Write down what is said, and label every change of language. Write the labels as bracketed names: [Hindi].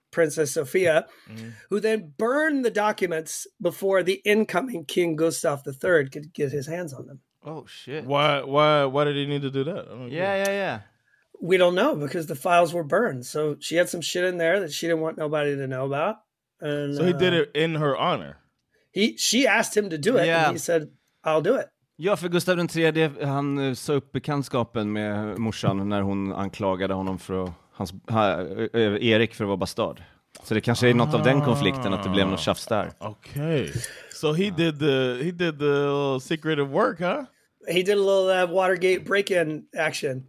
[English] Princess Sophia, who then burned the documents before the incoming King Gustav III could get his hands on them. Oh, shit. Why did he need to do that? Yeah. We don't know, because the files were burned. So she had some shit in there that she didn't want nobody to know about. And so he did it in her honor. She asked him to do it, and he said, I'll do it. [Swedish] Ja, för Gustav III, han sa upp bekantskapen med morsan när hon anklagade honom för att, Erik för att vara bastard. Så det kanske är något av den konflikten att det blev något tjafs där. Okej. [English] Okay. So he did the secret of work, huh? He did a little Watergate break-in action.